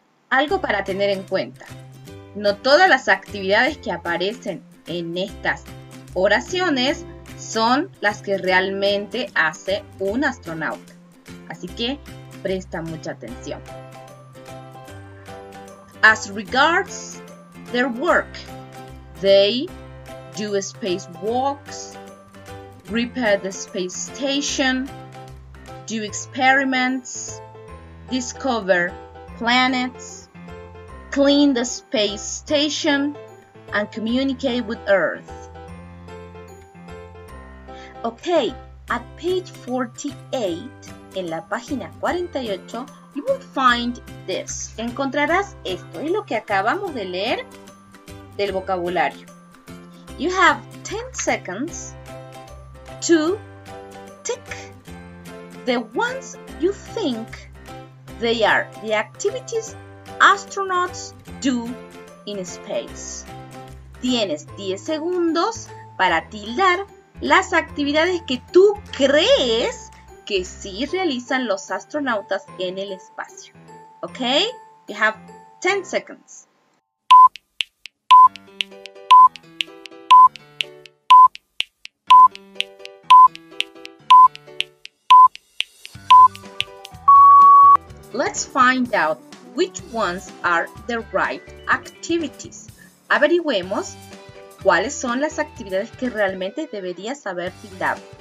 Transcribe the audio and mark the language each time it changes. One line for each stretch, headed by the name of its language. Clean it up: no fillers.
Spanish: Algo para tener en cuenta. No todas las actividades que aparecen en estas oraciones son las que realmente hace un astronauta. Así que presta mucha atención.
English: As regards their work, they do space walks, repair the space station, do experiments, discover planets, clean the space station, and communicate with Earth. Okay, at page 48,
Spanish: en la página 48,
English: you will find this.
Spanish: Encontrarás esto, es lo que acabamos de leer del vocabulario.
English: You have 10 seconds to tick the ones you think they are the activities astronauts do in space.
Spanish: Tienes 10 segundos para tildar las actividades que tú crees que sí realizan los astronautas en el espacio.
English: Ok, you have 10 seconds. Let's find out which ones are the right activities.
Spanish: Averigüemos cuáles son las actividades que realmente deberías haber tildado.